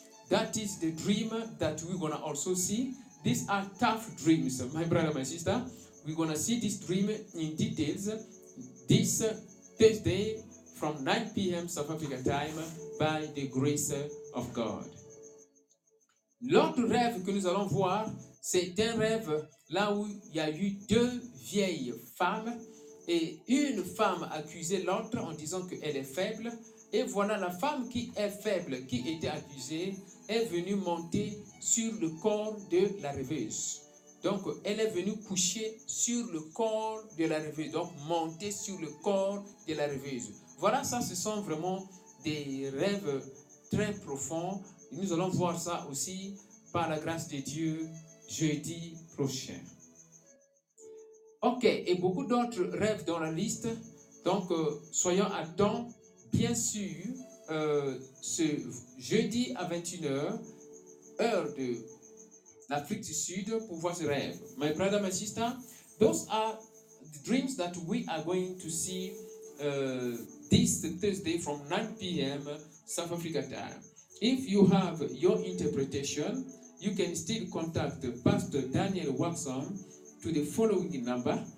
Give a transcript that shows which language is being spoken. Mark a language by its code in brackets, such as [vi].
[en] That is the dream that we're going to also see. These are tough dreams, my brother, my sister. We're going to see this dream in details this Thursday from 9 p.m. South Africa time by the grace of God. [fr] L'autre rêve que nous allons voir, c'est un rêve là où il y a eu deux vieilles femmes et une femme accusait l'autre en disant qu'elle est faible. Et voilà la femme qui est faible, qui était accusée, est venu monter sur le corps de la rêveuse. Donc, elle est venue coucher sur le corps de la rêveuse. Donc, monter sur le corps de la rêveuse. Voilà, ça, ce sont vraiment des rêves très profonds. Et nous allons voir ça aussi, par la grâce de Dieu, jeudi prochain. Ok, et beaucoup d'autres rêves dans la liste. Donc, soyons à temps, bien sûr, ce jeudi à 21h, heure de l'Afrique du Sud, pour voir ce rêve. [en] My brother, my sister, those are the dreams that we are going to see this Thursday from 9 p.m. South Africa time. If you have your interpretation, you can still contact Pastor Daniel Watson to the following number.